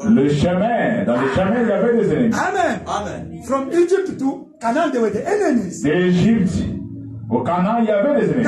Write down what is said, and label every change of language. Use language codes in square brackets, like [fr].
[fr] Le chemin, dans le chemin, il y avait des ennemis. Amen. Amen. [en] From Egypt to Canaan, there were the enemies. [fr] D'Égypte au Canaan, il y avait des ennemis.